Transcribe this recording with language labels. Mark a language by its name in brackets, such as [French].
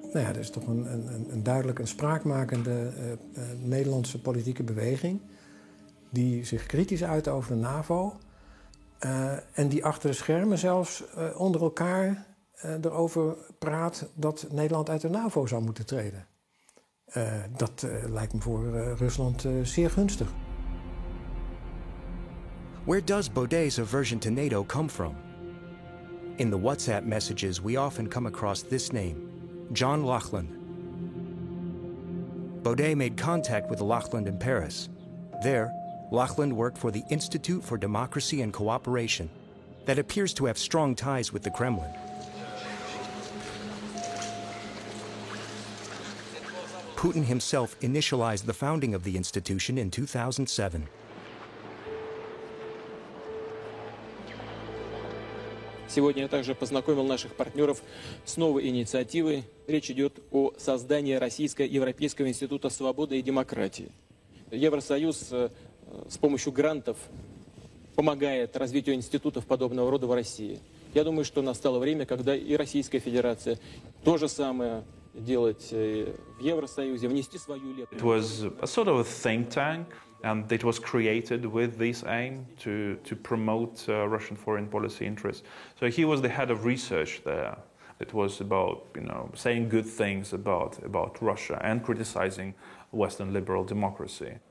[Dutch] Nou ja, dat is toch een duidelijk een spraakmakende Nederlandse politieke beweging die zich kritisch uit over de NAVO en die achter de schermen zelfs onder elkaar erover praat dat Nederland uit de NAVO zou moeten treden. Dat lijkt me voor Rusland zeer gunstig. [English] Where does Baudet's aversion to NATO come from? In the WhatsApp messages, we often come across this name, John Laughlin. Baudet made contact with Laughlin in Paris. There, Laughlin worked for the Institute for Democracy and Cooperation that appears to have strong ties with the Kremlin. Putin himself initialized the founding of the institution in 2007. [Russian] Сегодня я также познакомил наших партнеров с новой инициативой. Речь идет о создании Российско-Европейского института свободы и демократии. Евросоюз с помощью грантов помогает развитию институтов подобного рода в России. Я думаю, что настало время, когда и Российская Федерация то же самое делать в Евросоюзе, внести свою лепту. [English] It was a sort of a think tank, and it was created with this aim to promote Russian foreign policy interests. So he was the head of research there. It was about, you know, saying good things about Russia and criticizing Western liberal democracy.